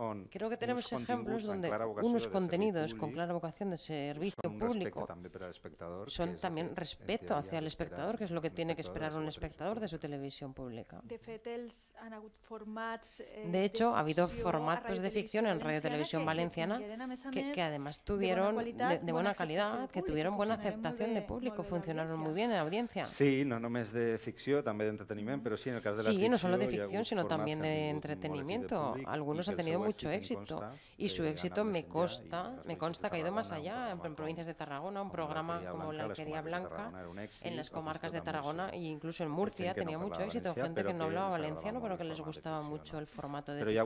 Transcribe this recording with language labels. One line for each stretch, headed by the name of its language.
Spanish: Creo que tenemos ejemplos donde unos contenidos con clara vocación de servicio público son también respeto hacia el espectador, que es lo que tiene que esperar un espectador de su televisión pública. pública.
Catalan: De fet, els han hagut formats,
Spanish: de hecho, ha habido formatos de ficción en Radio Televisión Valenciana que además tuvieron de buena calidad, que tuvieron buena aceptación de público, funcionaron muy bien en audiencia.
Catalan: Sí, no només de ficció, també d'entreteniment, però sí, en el cas de la ficció.
Spanish: Sí, no solo de ficción, sino también de entreteniment. Algunos han tenido mucho éxito y su éxito me consta que ha ido más allá, en provincias de Tarragona, un programa como La Alquería Blanca, en las comarcas de Tarragona e incluso en Murcia tenía mucho éxito, gente que no hablaba valenciano, pero que les gustaba mucho el formato de ficción.